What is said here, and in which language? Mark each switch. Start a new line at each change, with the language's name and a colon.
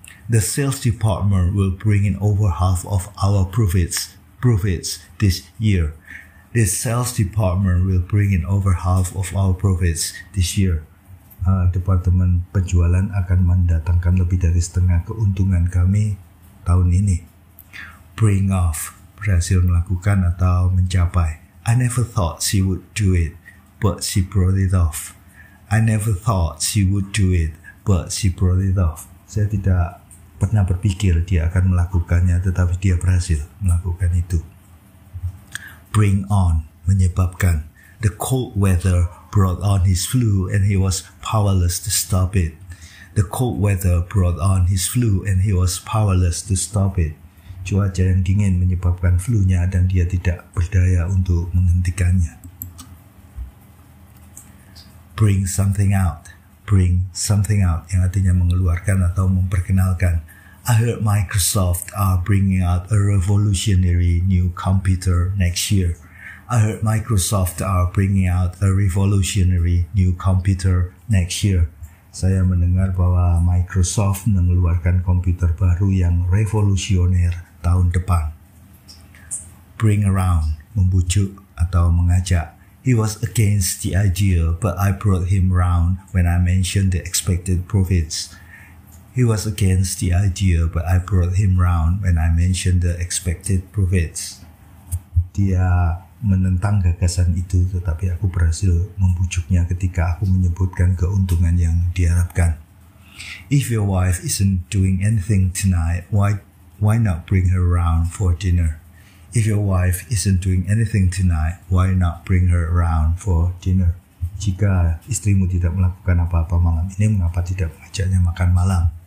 English: The sales department will bring in over half of our profits this year. The sales department will bring in over half of our profits this year.
Indonesian: Departemen penjualan akan mendatangkan lebih dari setengah keuntungan kami tahun ini. Bring off, berhasil melakukan atau mencapai.
English: I never thought she would do it, but she brought it off. I never thought she would do it, but she brought it off.
Indonesian: Saya tidak pernah berpikir dia akan melakukannya, tetapi dia berhasil melakukan itu.
English: Bring on,
Indonesian: menyebabkan.
English: The cold weather brought on his flu and he was powerless to stop it. The cold weather brought on his flu and he was powerless to stop it.
Indonesian: Cuaca yang dingin menyebabkan flu-nya dan dia tidak berdaya untuk menghentikannya.
English: Bring something out. Bring something out,
Indonesian: yang artinya mengeluarkan atau memperkenalkan.
English: I heard Microsoft are bringing out a revolutionary new computer next year. I heard Microsoft are bringing out a revolutionary new computer next year.
Indonesian: Saya mendengar bahwa Microsoft mengeluarkan komputer baru yang revolusioner tahun depan. Bring around, membujuk atau mengajak.
English: He was against the idea, but I brought him round when I mentioned the expected profits. He was against the idea, but I brought him round when I mentioned the expected profits.
Indonesian: Dia menentang gagasan itu, tetapi aku berhasil membujuknya ketika aku menyebutkan keuntungan yang diharapkan.
English: If your wife isn't doing anything tonight, why not bring her round for dinner? If your wife isn't doing anything tonight, why not bring her around for dinner?
Indonesian: Jika istrimu tidak melakukan apa-apa malam ini, mengapa tidak mengajaknya makan malam?